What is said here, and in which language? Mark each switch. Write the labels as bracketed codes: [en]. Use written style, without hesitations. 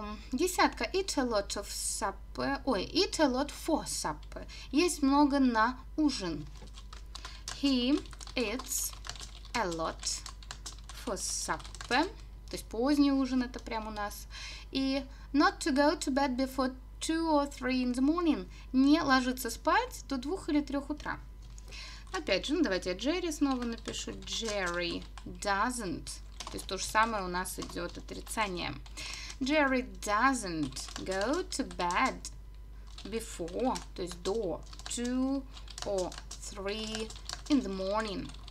[en] Десятка. Eat a lot of supper. Ой, eat a lot for supper. [ru] Есть много на ужин. [en] He eats a lot for supper. [ru] То есть поздний ужин это прямо у нас. [en] И not to go to bed before 2 or 3 in the morning. [ru] Не ложиться спать до 2 или 3 утра. Опять же, ну давайте я Джерри снова напишу. [en] Джерри doesn't. [ru] То есть то же самое у нас идет отрицание. [en] Джерри doesn't go to bed before, [ru] то есть до [en] 2 or 3 in the morning.